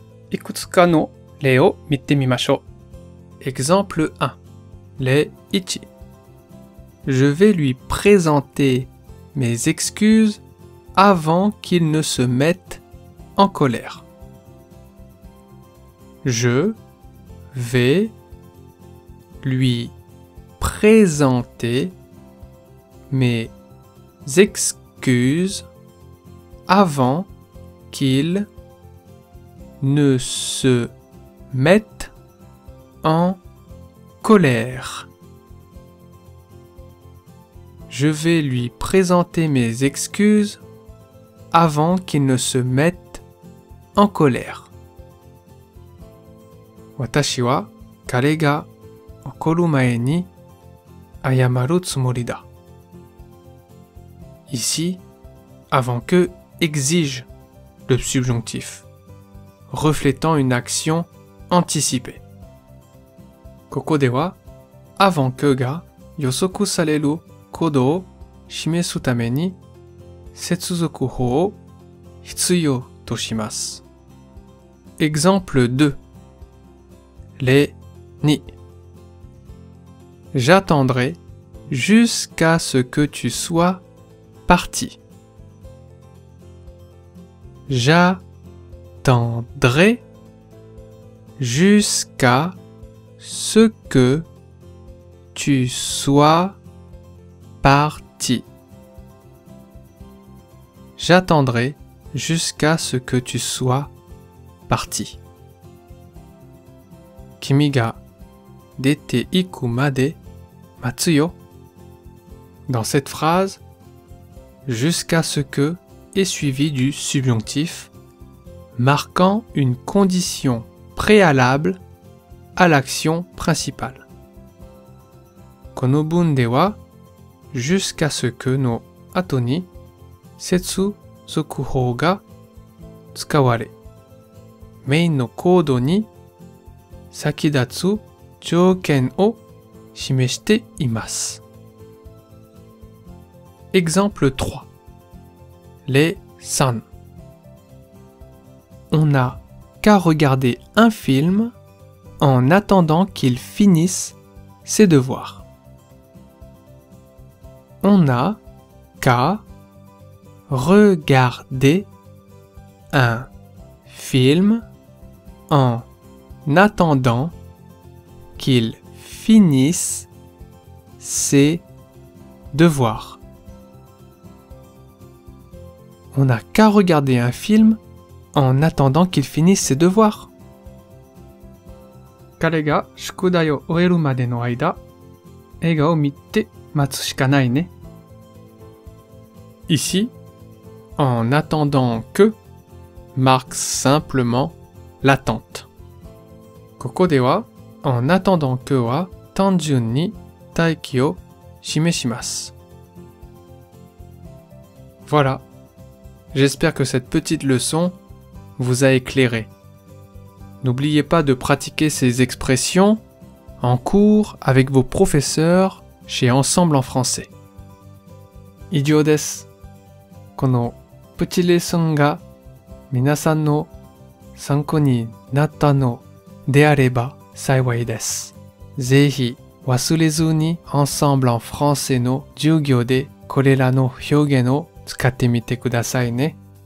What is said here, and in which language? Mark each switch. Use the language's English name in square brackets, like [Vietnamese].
[Japanese] いくつかの例を見てみましょう。 [French] Exemple 1. [Japanese] 例1. [French] Je vais lui présenter mes excuses avant qu'il ne se mette en colère. Je vais lui présenter mes excuses avant qu'il ne se mette en colère. Je vais lui présenter mes excuses avant qu'il ne se mette en colère. [Japanese] 私は彼が怒る前に謝るつもりだ。 [French] Ici, avant que exige le subjonctif, reflétant une action anticipée. [Japanese] ここでは avant que が予測される行動を示すために接続法を必要とします。 [French] Exemple 2. Les ni. J'attendrai jusqu'à ce que tu sois parti. J'attendrai jusqu'à ce que tu sois parti. J'attendrai jusqu'à ce que tu sois parti. [Japanese] 君が出て行くまで待つよ。 [French] Dans cette phrase, jusqu'à ce que est suivi du subjonctif, marquant une condition préalable à l'action principale. [Japanese] この文では、jusqu'à ce que の後に接続法が使われ、メインのコードに先立つ条件を示しています。 [French] Exemple 3. Les san. On n'a qu'à regarder un film en attendant qu'il finisse ses devoirs. On n'a qu'à regarder un film en attendant qu'il finisse ses devoirs. On n'a qu'à regarder un film en attendant qu'il finisse ses devoirs. [Japanese] 彼が宿題を終えるまでの間、映画を見て待つしかないね。 [French] Ici, en attendant que marque simplement l'attente. [Japanese] ここでは、en attendant que は、単純に待機を示します。 [French] Voilà. J'espère que cette petite leçon vous a éclairé. N'oubliez pas de pratiquer ces expressions en cours avec vos professeurs chez Ensemble en français. [Japanese] 以上です。この [French] petite leçon [Japanese] が皆さんの参考になったのであれば幸いです。ぜひ忘れずに Ensemble en français の授業でこれらの表現を使ってみてくださいね。